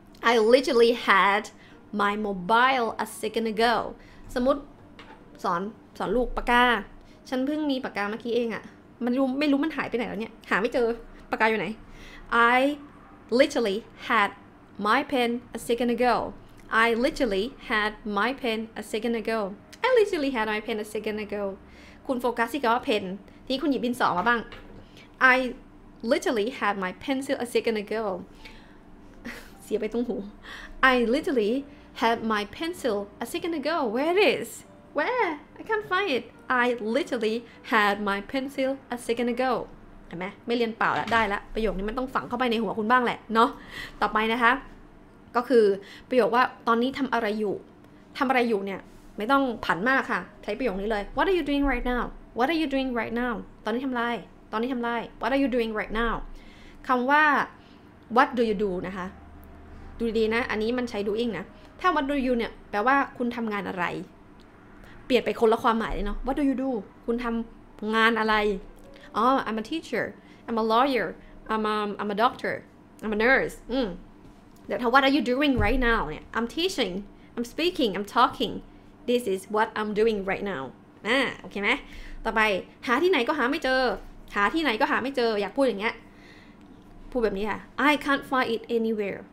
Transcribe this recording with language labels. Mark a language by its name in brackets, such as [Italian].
[English] I literally had my mobile a second ago. [Thai] สมมติสอนลูกปากกาฉันเพิ่งมีปากกาเมื่อกี้เองอะมันไม่รู้มันหายไปไหนแล้วเนี่ยหาไม่เจอปากกาอยู่ไหน [English] I literally had my pen a second ago. I literally had my pen a second ago. I literally had my pen a second ago. [Thai] คุณโฟกัสที่คำว่าเพนทีคุณหยิบดินสอมาบ้าง [English] I literally had my pencil a second ago. [Thai] เสียไปตรงหู [English] I literally had my pencil a second ago. Where it is? Where? I can't find it. I literally had my pencil a second ago. [Thai] เห็นไหมไม่เรียนเปล่าแล้วได้ละประโยคนี้มันต้องฝังเข้าไปในหัวคุณบ้างแหละเนาะต่อไปนะคะก็คือประโยคว่าตอนนี้ทำอะไรอยู่เนี่ยไม่ต้องผันมากค่ะใช้ประโยคนี้เลย [English] What are you doing right now? What are you doing right now? [Thai] ตอนนี้ทำไรตอนนี้ทำไร [English] What are you doing right now? [Thai] คำว่า [English] What do you do [Thai] นะคะดูดีๆนะอันนี้มันใช้ doing นะถ้า [English] What do you [Thai] เนี่ยแปลว่าคุณทำงานอะไรเปลี่ยนไปคนละความหมายเลยเนาะ [English] What do you do? [Thai] คุณทำงานอะไรอ๋อ [English] oh, I'm a teacher I'm a lawyer I'm a doctor I'm a nurse [Thai] แต่ถ้า [English] What are you doing right now [Thai] เนี่ย [English] I'm teaching I'm speaking I'm talkingThis is what I'm doing right now. [Thai] โอเคไหมต่อไปหาที่ไหนก็หาไม่เจอหาพูดอย่างเงี้ยพูดแบบนี้ค่ะ [English] I can't find it anywhere.